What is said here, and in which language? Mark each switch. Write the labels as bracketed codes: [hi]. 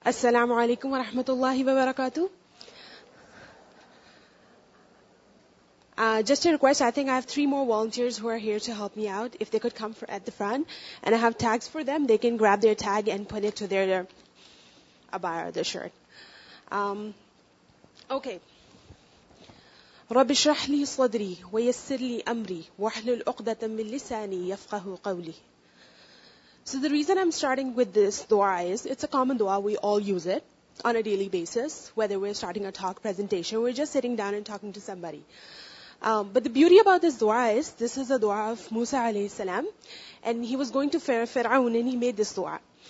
[ar] السلام عليكم ورحمة الله وبركاته. [en] Just a request, I think I have three more volunteers who are here to help me out. If they could come at the front, and I have tags for them, they can grab their tag and put it to their abaya, their shirt. Okay. [ar] رب اشرح لي صدري ويسر لي أمري واحلل عقدة من لساني يفقه قولي. [en] So the reason I'm starting with this dua is, it's a common dua, we all use it on a daily basis, whether we're starting a talk presentation, we're just sitting down and talking to somebody. But the beauty about this dua is, this is a dua of Musa alayhi salam, and he was going to Fir'aun and he made this dua.